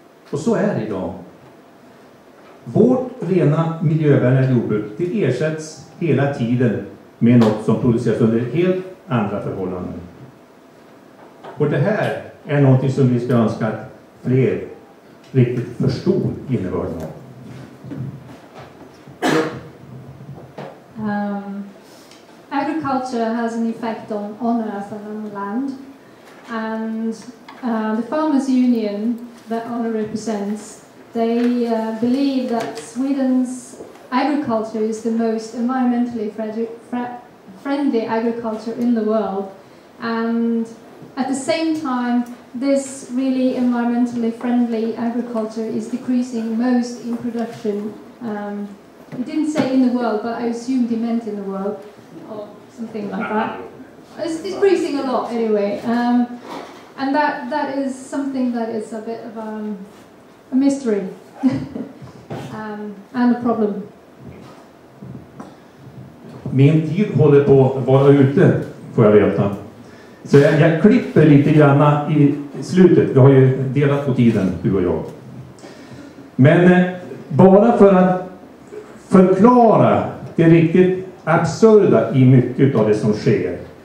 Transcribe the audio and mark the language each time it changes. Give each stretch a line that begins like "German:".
Swedish: Och så är det idag. Vårt rena miljövänliga jordbruk, det ersätts hela tiden med något som produceras under helt andra förhållanden. Och det här är någonting som vi ska önska att fler riktigt förstår innebörden av.
English: Agriculture has an effect on earth and on land. And the Farmers Union that ARNE represents, they believe that Sweden's agriculture is the most environmentally friendly agriculture in the world. And at the same time, this really environmentally friendly agriculture is decreasing most in production. It didn't say in the world, but I assumed he meant in the world, or something like that. It's decreasing a lot anyway. And that is something that is a bit of a mystery and a problem.
Swedish: Min tid håller på att vara ute, får jag veta. Så jag klipper lite grann i slutet. Vi har ju delat på tiden, du och jag. Men bara för att förklara det riktigt absurda i mycket av det som sker.